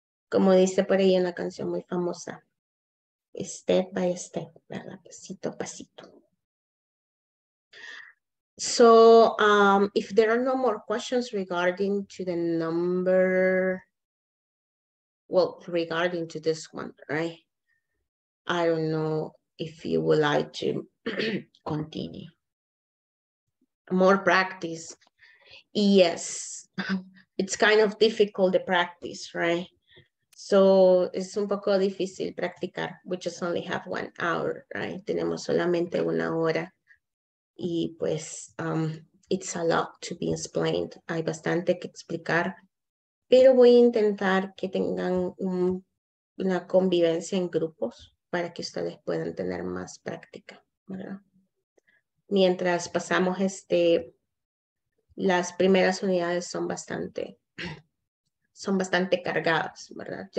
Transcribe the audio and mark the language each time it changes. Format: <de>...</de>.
<es>Como dice por ahí en la canción muy famosa,</es> <en>step by step,</en> <es>¿verdad? Pasito a pasito.</es> <en>So, if there are no more questions regarding to the number, well, regarding to this one, right? I don't know if you would like to continue. More practice. Yes, it's kind of difficult to practice, right? So,</en> <es>es un poco difícil practicar.</es> <en>We just only have 1 hour, right?</en> <es>Tenemos solamente 1 hora. Y pues,</es> <en>it's a lot to be explained.</en> <es>Hay bastante que explicar. Pero voy a intentar que tengan una convivencia en grupos para que ustedes puedan tener más práctica, ¿verdad? Mientras pasamos las primeras unidades son bastante cargadas, ¿verdad?</es>